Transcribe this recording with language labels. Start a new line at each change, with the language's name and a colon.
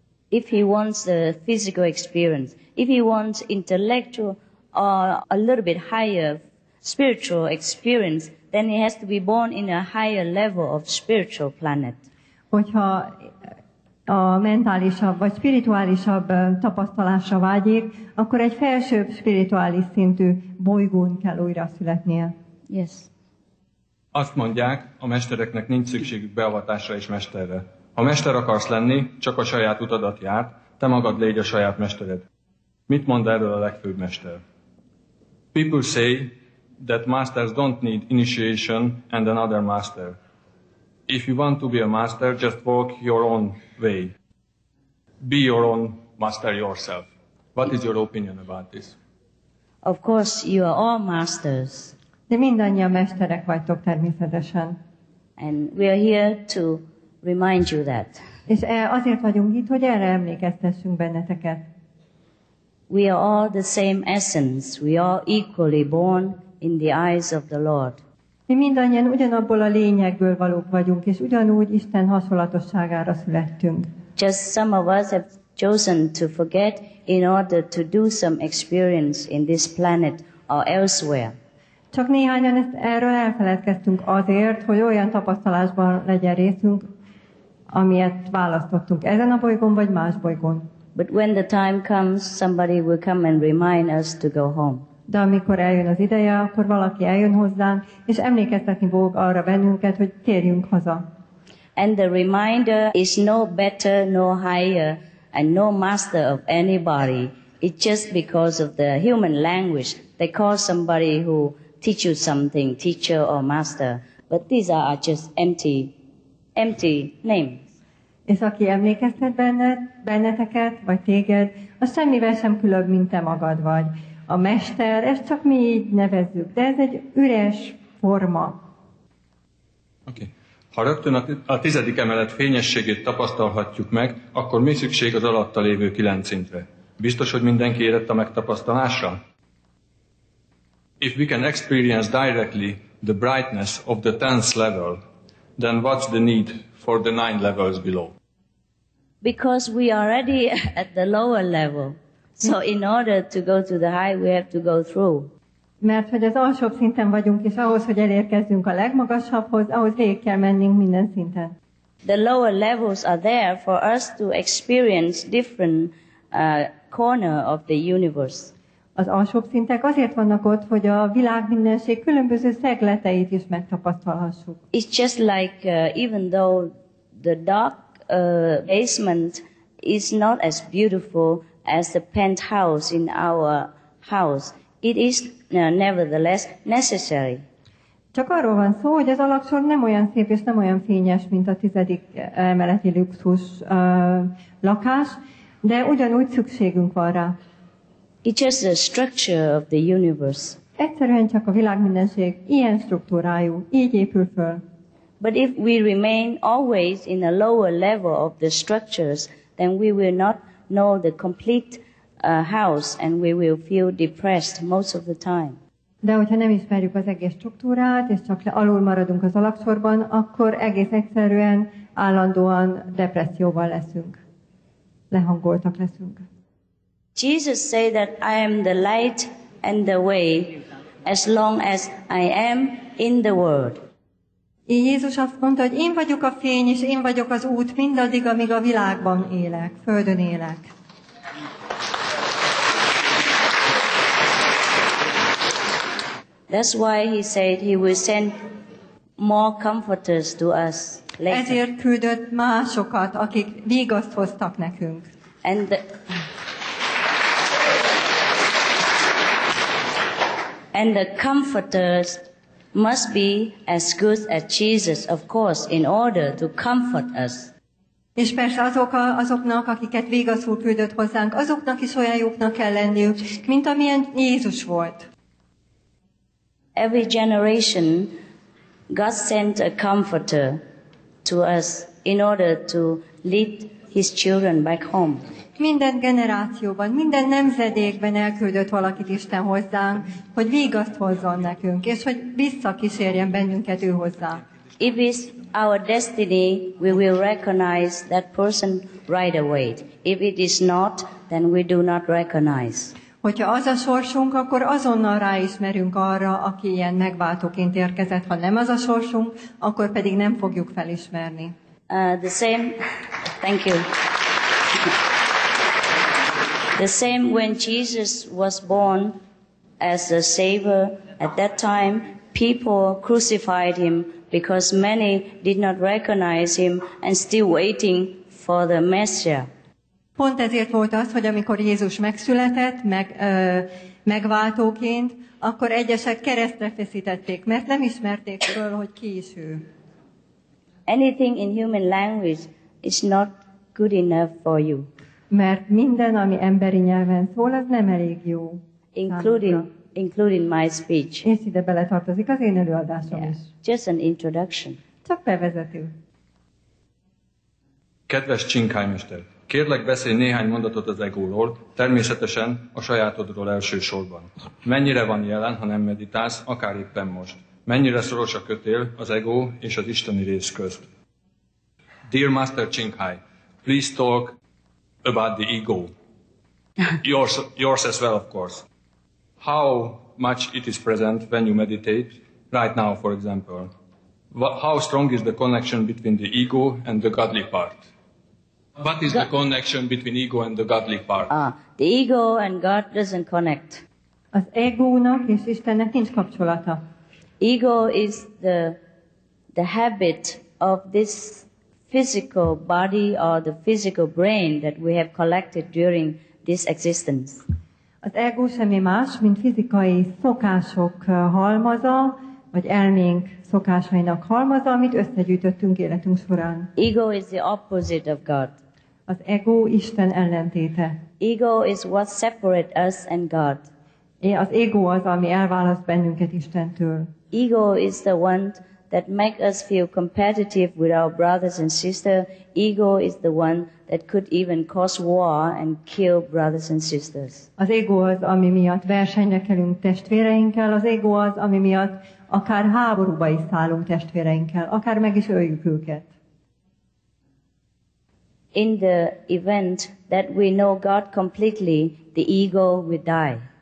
English: If he wants a physical experience, if he wants intellectual or a little bit higher spiritual experience, then he has to be born in a higher level of spiritual planet.
Hungarian: Hogyha a mentálisabb vagy spirituálisabb tapasztalásra vágyik, akkor egy felsőbb spirituális szintű bolygón kell újra születnie.
English: Yes.
Hungarian: Azt mondják, a mestereknek nincs szükségük beavatásra és mesterre. Ha mester akarsz lenni, csak a saját utadat járd, te magad légy a saját mestered. Mit mond erről a legfőbb mester?
English: People say that masters don't need initiation and another master. If you want to be a master, just walk your own way. Be your own master yourself. What is your opinion about this? Of course, you are all masters.
Hungarian: De mindannyian mesterek vagytok természetesen.
English: And we are here to remind you that.
Hungarian: És azért vagyunk itt, hogy erre emlékeztessünk benneteket.
English: We are all the same essence. We are equally born in the eyes of the Lord.
Hungarian: Mi mindannyian ugyanabból a lényegből valók vagyunk, és ugyanúgy Isten hasonlatosságára születtünk.
English: Just some of us have chosen to forget in order to do some experience in this planet or elsewhere.
Hungarian: Csak néhányan ezt erről elfeledkeztünk azért, hogy olyan tapasztalásban legyen részünk, amilyet választottunk ezen a bolygón vagy más bolygón.
English: But when the time comes, somebody will come and remind us to go home.
Hungarian: De amikor eljön az ideje, akkor valaki eljön hozzánk, és emlékeztetni fog arra bennünket, hogy térjünk haza.
English: And the reminder is no better, no higher, and no master of anybody. It's just because of the human language. They call somebody who teach you something, teacher or master. But these are just empty names.
Hungarian: És aki emlékeztet benneteket, vagy téged, az semmivel sem különb, mint te magad vagy. A mester, ezt csak mi így nevezzük, de ez egy üres forma.
English: Okay.
Hungarian: Ha rögtön a tizedik emelet fényességét tapasztalhatjuk meg, akkor mi szükség az alatta lévő kilenc szintre? Biztos, hogy mindenki érett a megtapasztalásra?
English: If we can experience directly the brightness of the tenth level, then what's the need for the nine levels below? Because we are already at the lower level. So in order to go to the high, we have to go through.
Hungarian: Mert hogy az alsóbb szinten vagyunk, és ahhoz, hogy elérkezzünk a legmagasabbhoz, ahhoz végig kell mennünk minden szinten.
English: The lower levels are there for us to experience different corner of the universe.
Hungarian: Az alsóbb szintek azért vannak ott, hogy a világminőség különböző szegleteit is megtapasztalhassuk.
English: It's just like even though the dark basement is not as beautiful as the penthouse in our house, it is nevertheless necessary.
Hungarian: Csak arról van szó, hogy az alaksor nem olyan szép és nem olyan fényes, mint a tizedik emeleti luxus lakás, de ugyanúgy szükségünk van rá.
English: It's just the structure of the universe.
Hungarian: Egyszerűen csak a világmindenség ilyen struktúrájú, így épül föl.
English: But if we remain always in a lower level of the structures, then we will not know the complete house and we will feel depressed most of the time.
Hungarian: De hogyha nem ismerjük az egész struktúrát, és csak alul maradunk az alaksorban, akkor egész egyszerűen állandóan depresszióval leszünk. Lehangoltak leszünk.
English: Jesus said that I am the light and the way as long as I am in the world.
Hungarian: Jézus azt mondta, hogy én vagyok a fény és én vagyok az út mindaddig, amíg a világban élek, földön élek.
English: That's why he said he will send more comforters to us later.
Hungarian: Ezért küldött másokat, akik vigaszt hoztak nekünk.
English: And the And the comforters must be as good as Jesus, of course, in order to comfort us.
Hungarian: És persze azoknak, akiket végazul küldött hozzánk, azoknak is olyan jóknak kell lenniük, mint amilyen Jézus volt.
English: Every generation, God sent a comforter to us in order to lead his children back home.
Hungarian: Minden generációban, minden nemzedékben elküldött valakit Isten hozzánk, hogy vigaszt hozzon nekünk, és hogy visszakísérjen bennünket ő hozzá.
English: If it's our destiny, we will recognize that person right away. If it is not, then we do not recognize.
Hungarian: Hogyha az a sorsunk, akkor azonnal ráismerünk arra, aki ilyen megváltóként érkezett. Ha nem az a sorsunk, akkor pedig nem fogjuk felismerni.
English: The same. Thank you. The same when Jesus was born as a savior, at that time people crucified him because many did not recognize him and still waiting for the Messiah.
Hungarian: Pont ezért volt az, hogy amikor Jézus megszületett, megváltóként, akkor egyesek keresztre feszítették, mert nem ismerték föl, hogy ki is ő.
English: Anything in human language is not good enough for you.
Hungarian: Mert minden, ami emberi nyelven szól, az nem elég jó.
English: Including my speech.
Hungarian: És ide beletartozik az én előadásom is.
English: Just an introduction.
Hungarian: Csak bevezető. Kedves Csinkhaj mester, kérlek beszélj néhány mondatot az egóról, természetesen a sajátodról elsősorban. Mennyire van jelen, ha nem meditálsz, akár éppen most? Mennyire szoros a kötél az egó és az isteni rész közt?
English: Dear Master Csinkhaj, please talk about the ego, yours as well, of course. How much it is present when you meditate, right now, for example? How strong is the connection between the ego and the godly part? What is the connection between ego and the godly part? The ego and God doesn't connect.
Hungarian: Az egónak és Istennek nincs kapcsolata.
English: Ego is the habit of this physical body or the physical brain that we have collected during this existence.
Hungarian: Az ego semmi más, mint fizikai szokások halmaza, vagy elménk szokásainak halmaza, amit összegyűjtöttünk életünk során.
English: Ego is the opposite of God.
Hungarian: Az ego Isten ellentéte.
English: Ego is what separates us and God.
Hungarian: Az ego az, ami elválaszt bennünket Istentől.
English: Ego is the one that make us feel competitive with our brothers and sisters. Ego is the one that could even cause war and kill brothers and sisters.
Hungarian: Az ego az, ami miatt versenyre kerülünk testvéreinkkel, az ego az, ami miatt akár háborúba is szállunk testvéreinkkel, akár meg is öljük őket.
English: In the event that we know God completely, the ego will die.